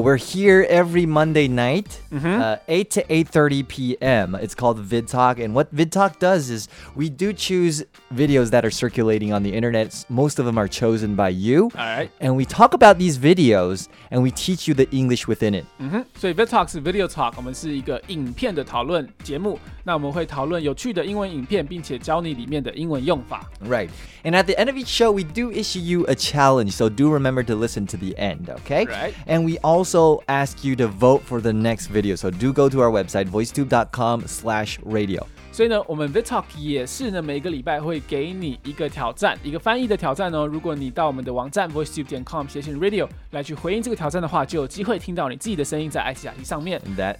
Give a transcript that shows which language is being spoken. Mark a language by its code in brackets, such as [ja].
[en] We're here every Monday night. Mm-hmm. 8 to 8:30 p.m. It's called VidTalk. And what VidTalk does is we do choose videos that are circulating on the internet. Most of them are chosen by you. All right. And we talk about these videos and we teach you the English within it. Mm-hmm. So VidTalk is video talk. [zh] 我们是一个影片的讨论节目。那我们会讨论有趣的英文影片，并且教你里面的英文用法。 [en] Right. And at the end of each show, we do issue you a challenge. So do remember to listen to the end, okay? Right. And we also ask you to vote for the next video. So do go to our website, voicetube.com/radio. [zh] 所以呢，我们VidTalk也是呢，每个礼拜会给你一个挑战，一个翻译的挑战哦。如果你到我们的网站 voicetube.com/radio 来去回应这个挑战的话，就有机会听到你自己的声音在ICRT上面。That